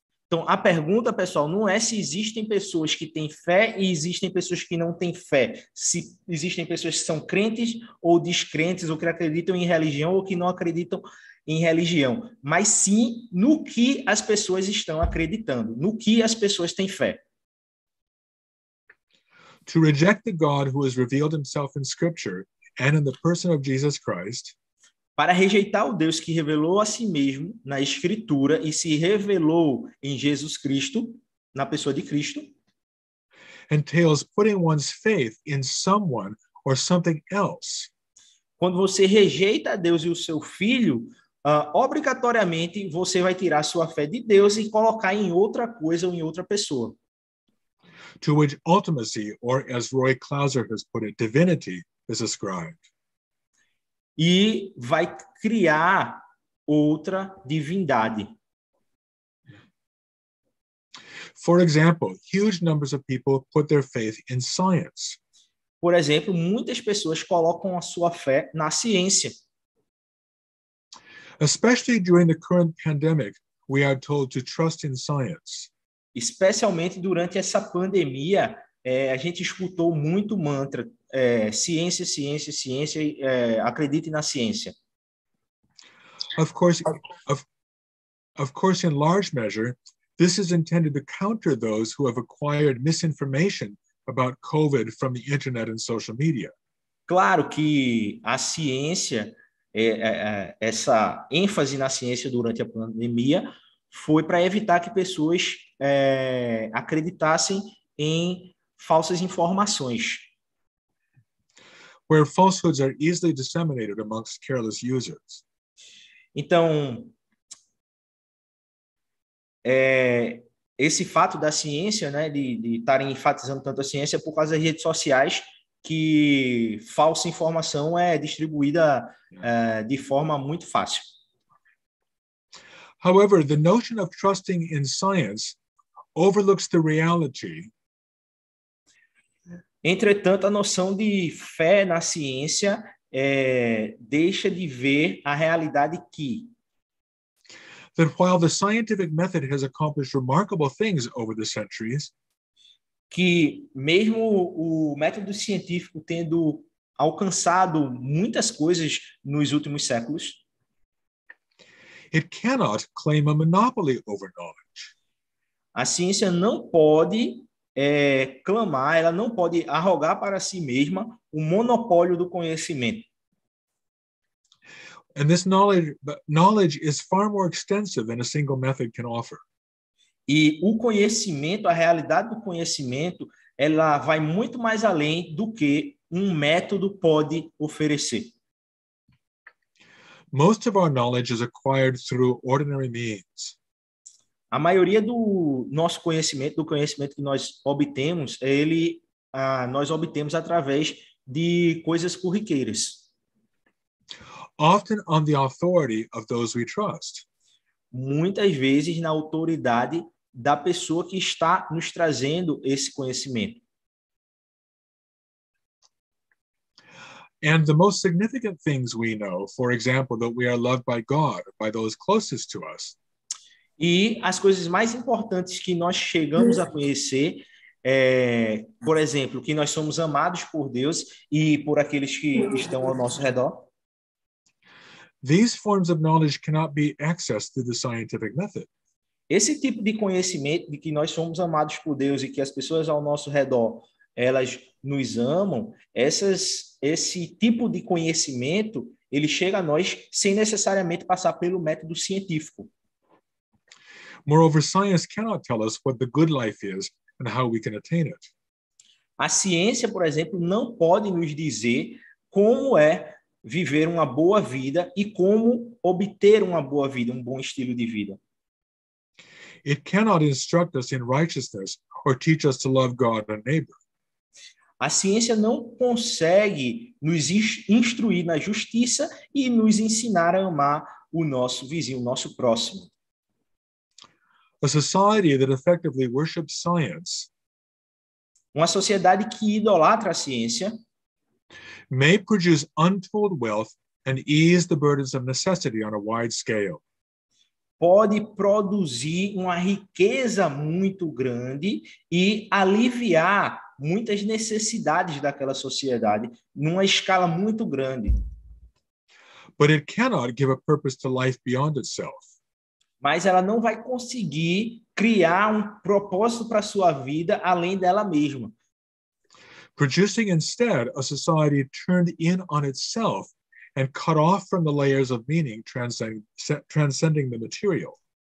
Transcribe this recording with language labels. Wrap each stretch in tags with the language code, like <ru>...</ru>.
<pt>Então, a pergunta, pessoal, não é se existem pessoas que têm fé e existem pessoas que não têm fé. Se existem pessoas que são crentes ou descrentes, ou que acreditam em religião ou que não acreditam em religião. Mas sim no que as pessoas estão acreditando, no que as pessoas têm fé.</pt> <en>To reject the God who has revealed himself in Scripture and in the person of Jesus Christ.</en> <pt>Para rejeitar o Deus que revelou a si mesmo na Escritura e se revelou em Jesus Cristo, na pessoa de Cristo,</pt> <en>entails putting one's faith in someone or something else.</en> <pt>Quando você rejeita Deus e o seu filho, obrigatoriamente você vai tirar sua fé de Deus e colocar em outra coisa ou em outra pessoa.</pt> <en>To which ultimacy, or as Roy Clouser has put it, divinity is ascribed.</en> <pt>E vai criar outra divindade.</pt> <en>For example, huge numbers of people put their faith in science.</en> <pt>Por exemplo, muitas pessoas colocam a sua fé na ciência.</pt> <en>Especially during the current pandemic, we are told to trust in science.</en> <pt>Especialmente durante essa pandemia, a gente escutou muito mantra. Ciência, ciência, ciência, acredite na ciência.</pt> <en>Of course, in large measure, this is intended to counter those who have acquired misinformation about COVID from the internet and social media.</en> <pt>Claro que a ciência, essa ênfase na ciência durante a pandemia, foi para evitar que pessoas acreditassem em falsas informações.</pt> <en>Where falsehoods are easily disseminated amongst careless users.</en> <pt>Então, esse fato da ciência, né, de estarem enfatizando tanto a ciência é por causa das redes sociais, que falsa informação é distribuída de forma muito fácil.</pt> <en>However, the notion of trusting in science overlooks the reality.</en> <pt>Entretanto, a noção de fé na ciência deixa de ver a realidade que...</pt> <en>That while the scientific method has accomplished remarkable things over the centuries...</en> <pt>Que mesmo o método científico tendo alcançado muitas coisas nos últimos séculos...</pt> <en>It cannot claim a monopoly over knowledge.</en> <pt>A ciência não pode... clamar, ela não pode arrogar para si mesma o monopólio do conhecimento.</pt> <en>And this knowledge is far more extensive than a single method can offer.</en> <pt>E o conhecimento, a realidade do conhecimento, ela vai muito mais além do que um método pode oferecer.</pt> <en>Most of our knowledge is acquired through ordinary means.</en> <pt>A maioria do nosso conhecimento, do conhecimento que nós obtemos, ele nós obtemos através de coisas corriqueiras.</pt> <en>Often on the authority of those we trust.</en> <pt>Muitas vezes na autoridade da pessoa que está nos trazendo esse conhecimento.</pt> <en>And the most significant things we know, for example, that we are loved by God, by those closest to us.</en> <pt>E as coisas mais importantes que nós chegamos a conhecer, por exemplo, que nós somos amados por Deus e por aqueles que estão ao nosso redor.</pt> <en>These forms of knowledge cannot be accessed through the scientific method.</en> <pt>Esse tipo de conhecimento de que nós somos amados por Deus e que as pessoas ao nosso redor elas nos amam, esse tipo de conhecimento, ele chega a nós sem necessariamente passar pelo método científico.</pt> <en>Moreover, science cannot tell us what the good life is and how we can attain it.</en> <pt>A ciência, por exemplo, não pode nos dizer como é viver uma boa vida e como obter uma boa vida, um bom estilo de vida.</pt> <en>It cannot instruct us in righteousness or teach us to love God and neighbor.</en> <pt>A ciência não consegue nos instruir na justiça e nos ensinar a amar o nosso vizinho, o nosso próximo.</pt> <en>A society that effectively worships science.</en> <pt>Uma sociedade que idolatra a ciência</pt> <en>may produce untold wealth and ease the burdens of necessity on a wide scale.</en> <pt>Pode produzir uma riqueza muito grande e aliviar muitas necessidades daquela sociedade numa escala muito grande.</pt> <en>But it cannot give a purpose to life beyond itself.</en> <pt>Mas ela não vai conseguir criar um propósito para sua vida além dela mesma.</pt> <en>Producing instead a society turned in on itself and cut off from the layers of meaning transcending the material.</en>